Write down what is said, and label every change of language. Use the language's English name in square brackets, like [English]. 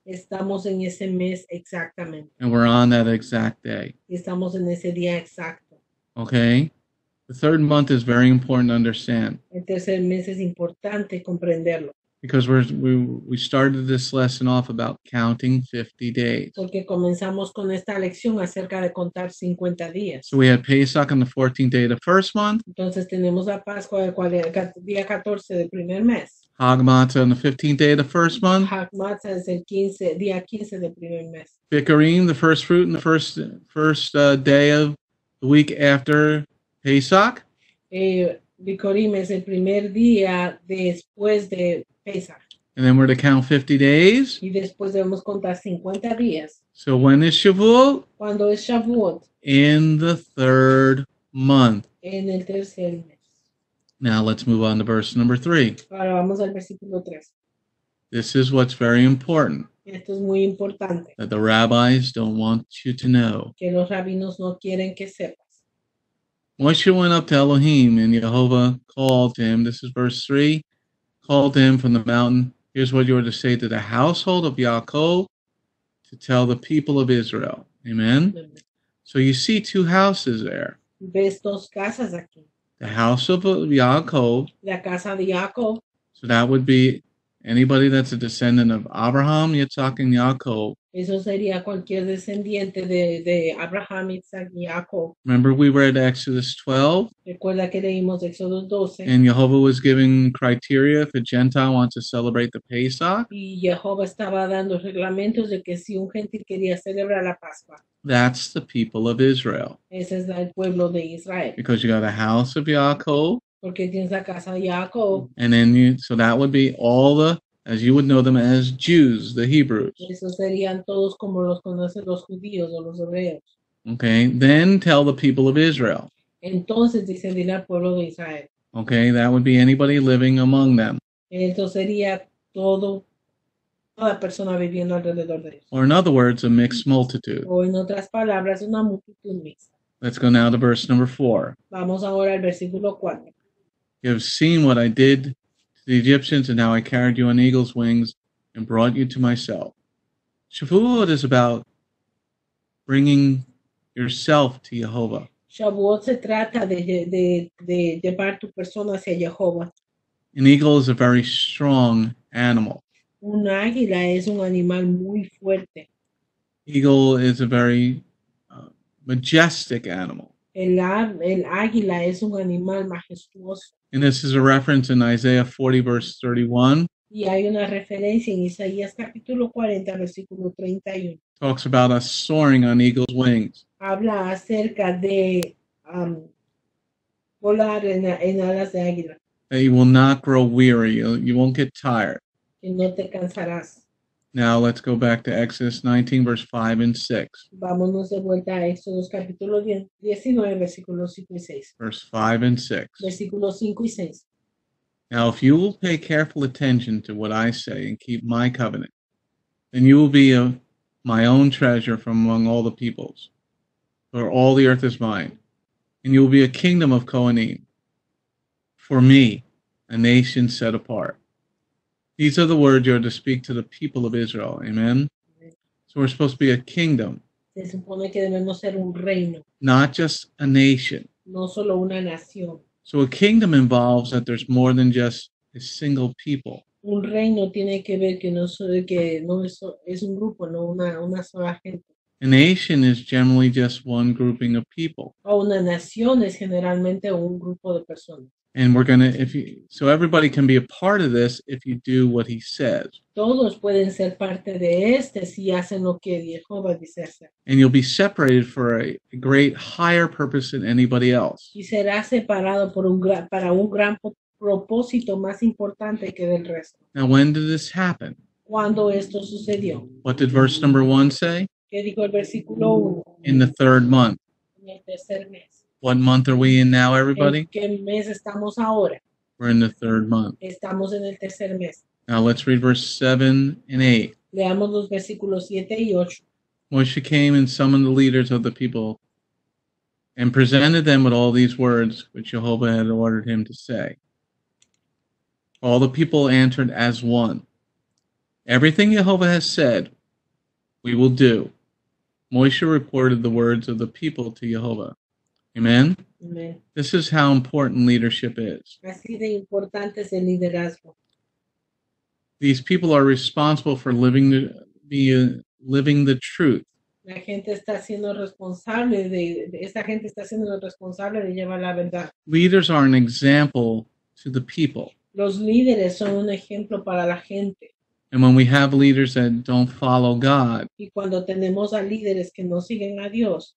[Spanish] Estamos en ese mes exactamente. [English] And we're on that exact day. [Spanish] Estamos en ese día exacto. [English] Okay? The third month is very important to understand. [Spanish] El tercer mes es importante comprenderlo. [English] Because we started this lesson off about counting 50 days. [Spanish] Porque comenzamos con esta lección acerca de contar 50 días. [English] So we had Pesach on the 14th day of the first month. [Spanish] Entonces tenemos la Pascua el cual es el día 14 del primer mes. [English] Hag Matzah on the 15th day of the first month. [Spanish] Hag Matzah es el 15, día 15 del primer mes. [English] Bikurim, the first fruit in the first day of the week after Pesach. [Spanish] Bikurim es el primer día después de Pesach. [English] And then we're to count 50 days. [Spanish] Y después debemos contar 50 días. [English] So when is Shavuot? [Spanish] ¿Cuándo es Shavuot? [English] In the third month. [Spanish] En el tercer mes. [English] Now let's move on to verse number 3. [Spanish] Ahora vamos al versículo 3. [English] This is what's very important. [Spanish] Esto es muy importante. [English] That the rabbis don't want you to know. [Spanish] Que los rabinos no quieren que sepas. [English] Moshe went up to Elohim and Yehovah called him. This is verse 3. Called him from the mountain. Here's what you were to say to the household of Yaakov to tell the people of Israel. Amen? Amen. So you see two houses there. [Spanish] Ves dos casas aquí. [English] The house of Yaakov. [Spanish] La casa de Yaakov. [English] So that would be anybody that's a descendant of Abraham, Yitzhak, and Yaakov. [Spanish] Eso sería cualquier descendiente de Abraham, Yitzhak, y Yaakov. [English] Remember we read Exodus 12. [Spanish] Recuerda que leímos Exodus 12. [English] And Yehovah was giving criteria if a Gentile wants to celebrate the Pesach. [Spanish] Y Yehovah estaba dando reglamentos de que si un gentil quería celebrar la Pascua. [English] That's the people of Israel. [Spanish] Ese es el pueblo de Israel. [English] Because you got a house of Yaakov. [Spanish] Porque tienes la casa de Yaakov. [English] And then so that would be all the, as you would know them as Jews, the Hebrews. [Spanish] Eso serían todos como los conocen los judíos o los hebreos. [English] Okay, then tell the people of Israel. [Spanish] Entonces dicen dile al pueblo de Israel. [English] Okay, that would be anybody living among them. [Spanish] Eso sería todo. Toda persona viviendo alrededor de ellos. [English] Or in other words, a mixed multitude. [Spanish] O en otras palabras, una multitud mixta. [English] Let's go now to verse number 4. [Spanish] Vamos ahora al versículo 4. [English] You have seen what I did to the Egyptians and how I carried you on eagle's wings and brought you to myself. Shavuot is about bringing yourself to Yehovah. [Spanish] Shavuot se trata de llevar tu persona hacia Yehovah. [English] An eagle is a very strong animal. [Spanish] Un águila es un animal muy fuerte. [English] Eagle is a very majestic animal. [Spanish] El águila es un animal majestuoso. [English] And this is a reference in Isaiah 40, verse 31. [Spanish] Y hay una referencia en Isaías capítulo 40, versículo 31. [English] Talks about us soaring on eagle's wings. [Spanish] Habla acerca de volar en alas de águila. [English] That you will not grow weary. You won't get tired. [Spanish] Y no te cansarás. [English] Now let's go back to Exodus 19, verse 5 and 6. [Spanish] Vámonos de vuelta a Exodus, capítulo 19, versículo 5 y 6. [English] Verse 5 and 6. [Spanish] Versículo 5 y 6. [English] Now if you will pay careful attention to what I say and keep my covenant, then you will be of my own treasure from among all the peoples, for all the earth is mine, and you will be a kingdom of Kohanim, for me, a nation set apart. These are the words you are to speak to the people of Israel. Amen? So we're supposed to be a kingdom. [Spanish] Se supone que debemos ser un reino. [English] Not just a nation. [Spanish] No solo una nación. [English] So a kingdom involves that there's more than just a single people. [Spanish] Un reino tiene que ver que no es un grupo, no una sola gente. [English] A nation is generally just one grouping of people. [Spanish] O una nación es generalmente un grupo de personas. [English] And we're going to, so everybody can be a part of this if you do what he says. [Spanish] Todos pueden ser parte de este si hacen lo que Jehová dice hacer. [English] And you'll be separated for a great higher purpose than anybody else. [Spanish] Y será separado para un gran propósito más importante que del resto. [English] Now, when did this happen? [Spanish] ¿Cuándo esto sucedió? [English] What did verse number 1 say? [Spanish] ¿Qué dijo el versículo 1? [English] In the third month. [Spanish] En el tercer mes. [English] What month are we in now, everybody? [Spanish] ¿En qué mes estamos ahora? [English] We're in the third month. [Spanish] Estamos en el tercer mes. [English] Now let's read verse 7 and 8. [Spanish] Leamos los versículos 7 y 8. [English] Moshe came and summoned the leaders of the people and presented them with all these words which Jehovah had ordered him to say. All the people answered as one. Everything Jehovah has said, we will do. Moshe reported the words of the people to Jehovah. Amen? Amen. This is how important leadership is. [Spanish] Así de importante es el liderazgo. [English] these people are responsible for living the truth. [Spanish] La gente está siendo responsable de llevar la verdad. [English] Leaders are an example to the people. [Spanish] Los líderes son un ejemplo para la gente. [English] And when we have leaders that don't follow God, [Spanish] y cuando tenemos a líderes que no siguen a Dios,